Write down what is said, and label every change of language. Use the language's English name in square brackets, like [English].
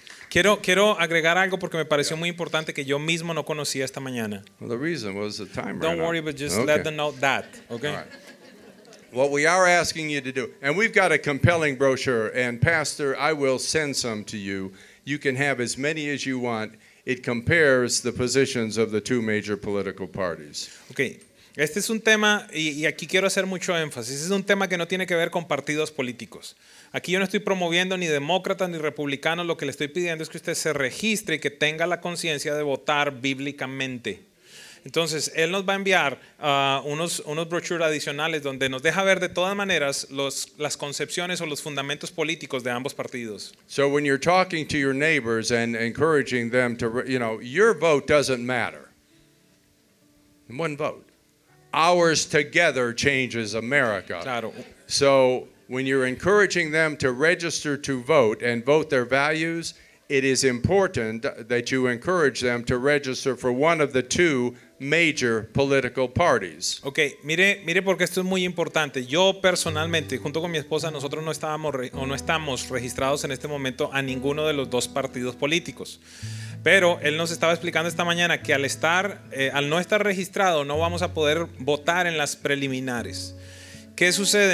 [Spanish] Quiero agregar algo porque me pareció muy importante que yo mismo no conocía esta mañana. [English] Well, the reason was the time. Don't worry, but just let them know that, okay? What we are asking you to do, and we've got a compelling brochure, and Pastor, I will send some to you. You can have as many as you want. It compares the positions of the two major political parties. Okay. [Spanish] Este es un tema, y aquí quiero hacer mucho énfasis, es un tema que no tiene que ver con partidos políticos. Aquí yo no estoy promoviendo ni demócratas ni republicanos, lo que le estoy pidiendo es que usted se registre y que tenga la conciencia de votar bíblicamente. Entonces, él nos va a enviar unos brochures adicionales donde nos deja ver de todas maneras las concepciones o los fundamentos políticos de ambos partidos. [English] So when you're talking to your neighbors and encouraging them to, you know, your vote doesn't matter. One vote. Ours together changes America. [Spanish] Claro. [English] So when you're encouraging them to register to vote and vote their values, it is important that you encourage them to register for one of the two major political parties. [Spanish] Okay, mire porque esto es muy importante. Yo personalmente, junto con mi esposa, nosotros no estamos registrados en este momento a ninguno de los dos partidos políticos. Pero él nos estaba explicando esta mañana que al no estar registrado no vamos a poder votar en las preliminares. ¿Qué sucede?